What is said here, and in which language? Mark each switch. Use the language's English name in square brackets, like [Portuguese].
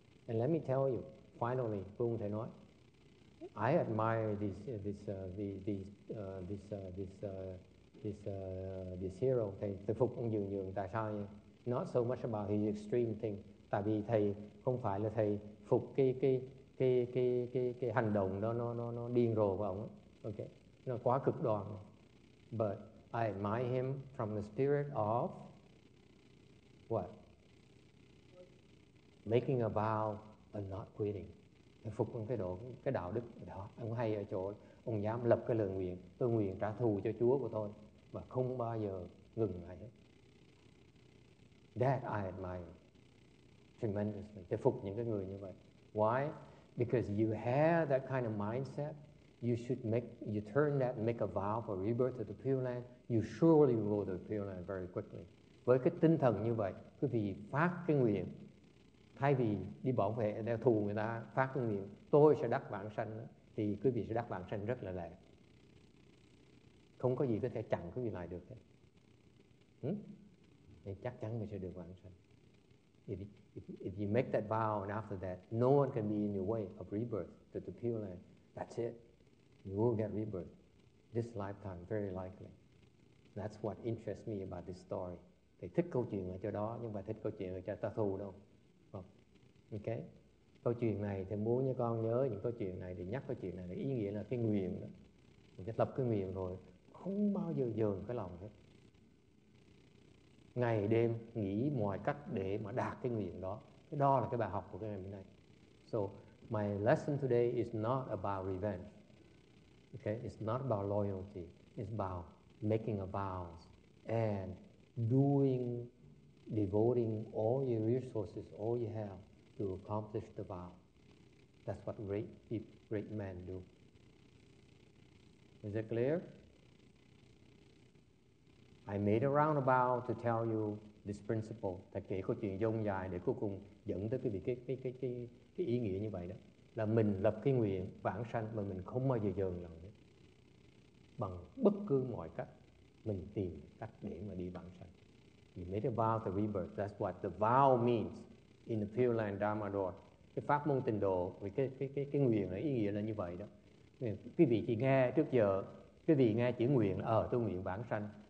[English] And let me tell you, finally, [Vietnamese] không thể nói. [English] I admire this hero. [Vietnamese] Thầy phục ông Dương Dương tại sao nhỉ? [English] Not so much about his extreme thing. [Vietnamese] Tại vì thầy không phải là thầy phục cái hành động đó nó điên rồ của ông. Okay, nó quá cực đoan. [English] But I admire him from the spirit of what? Making a vow and not quitting. [Vietnamese] Phục ông cái đạo đức đó. Ông hay ở chỗ ông dám lập cái lời nguyện, tôi nguyện trả thù cho Chúa của tôi mà không bao giờ ngừng lại hết. [English] That I admire. tremendously. [Vietnamese] Để phục những cái người như vậy. [English] Why? Because you have that kind of mindset, you should make, you turn that, make a vow for rebirth of the Pure Land, you surely will go to the Pure Land very quickly. [Vietnamese] Với cái tinh thần như vậy, quý vị phát cái nguyện, thay vì đi bảo vệ, đeo thù người ta, phát cái nguyện, tôi sẽ đắc vãng sanh, thì quý vị sẽ đắc vãng sanh rất là lẹ. Không có gì có thể chặn quý vị lại được. Thì chắc chắn mình sẽ được vãng sanh. [English] If you make that vow and after that, no one can be in your way of rebirth to the Pure Land. That's it. You will get rebirth this lifetime, very likely. That's what interests me about this story. [Vietnamese] Thầy thích câu chuyện ở chỗ đó, nhưng mà thích câu chuyện ở chỗ ta thù đâu. Ok. Câu chuyện này thì muốn cho con nhớ những câu chuyện này, thì nhắc câu chuyện này, ý nghĩa là cái nguyện đó. Mình lập cái nguyện rồi, không bao giờ dờn cái lòng hết. Ngày đêm nghĩ mọi cách để mà đạt cái nguyện đó. Cái đó là cái bài học của cái ngày hôm nay. [English] So, my lesson today is not about revenge. Okay, it's not about loyalty. It's about making a vow and doing, devoting all your resources, all you have to accomplish the vow. That's what great people, great men do. Is it clear? I made a roundabout to tell you this principle. [Vietnamese] Thầy kể câu chuyện dông dài để cuối cùng dẫn tới cái, ý nghĩa như vậy đó. Là mình lập cái nguyện vãng sanh mà mình không bao giờ dừng lại. Bằng bất cứ mọi cách, mình tìm cách để mà đi vãng sanh. [English] You made a vow to rebirth. That's what the vow means in the Pure Land Dharma Road. [Vietnamese] Cái pháp môn tịnh độ, cái nguyện là ý nghĩa là như vậy đó. Quý vị chỉ nghe trước giờ, quý vị nghe chữ nguyện là tôi nguyện vãng sanh.